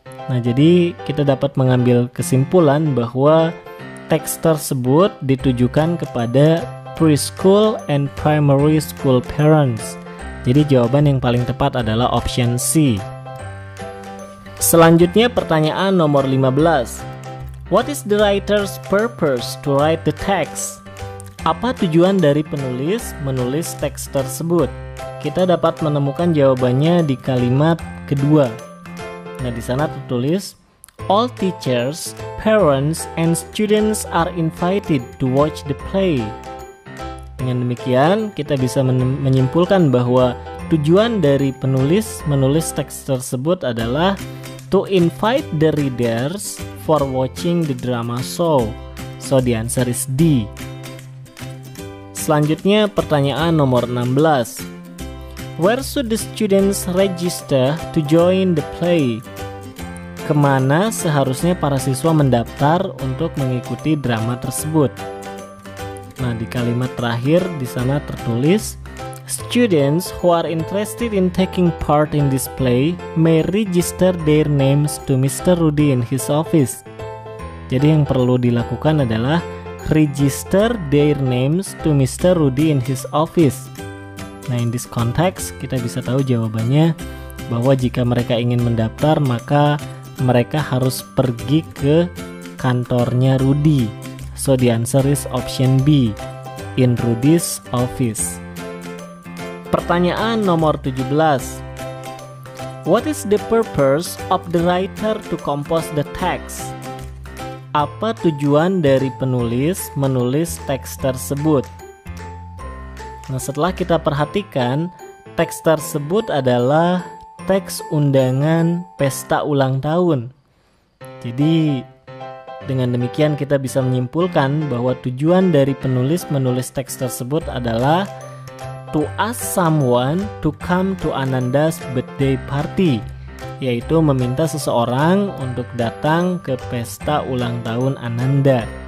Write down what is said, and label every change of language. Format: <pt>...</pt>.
<id>Nah, jadi kita dapat mengambil kesimpulan bahwa teks tersebut ditujukan kepada</id> <en>preschool and primary school parents.</en> <id>Jadi jawaban yang paling tepat adalah option C. Selanjutnya pertanyaan nomor 15.</id> <en>What is the writer's purpose to write the text?</en> <id>Apa tujuan dari penulis menulis teks tersebut? Kita dapat menemukan jawabannya di kalimat kedua. Nah, di sana tertulis,</id> <en>all teachers, parents, and students are invited to watch the play.</en> <id>Dengan demikian, kita bisa menyimpulkan bahwa tujuan dari penulis menulis teks tersebut adalah</id> <en>to invite the readers for watching the drama show. So, the answer is D.</en> <id>Selanjutnya, pertanyaan nomor 16.</id> <en>Where should the students register to join the play?</en> <id>Kemana seharusnya para siswa mendaftar untuk mengikuti drama tersebut? Nah, di kalimat terakhir di sana tertulis,</id> <en>students who are interested in taking part in this play may register their names to Mr. Rudy in his office.</en> <id>Jadi yang perlu dilakukan adalah</id> <en>register their names to Mr. Rudy in his office.</en> <id>Nah,</id> <en>in this context,</en> <id>kita bisa tahu jawabannya bahwa jika mereka ingin mendaftar, maka mereka harus pergi ke kantornya Rudy.</id> <en>So, the answer is option B, in Rudy's office.</en> <id>Pertanyaan nomor 17.</id> <en>What is the purpose of the writer to compose the text?</en> <id>Apa tujuan dari penulis menulis teks tersebut? Nah, setelah kita perhatikan, teks tersebut adalah teks undangan pesta ulang tahun. Jadi, dengan demikian kita bisa menyimpulkan bahwa tujuan dari penulis menulis teks tersebut adalah</id> <en>to ask someone to come to Ananda's birthday party,</en> <id>yaitu meminta seseorang untuk datang ke pesta ulang tahun Ananda.</id>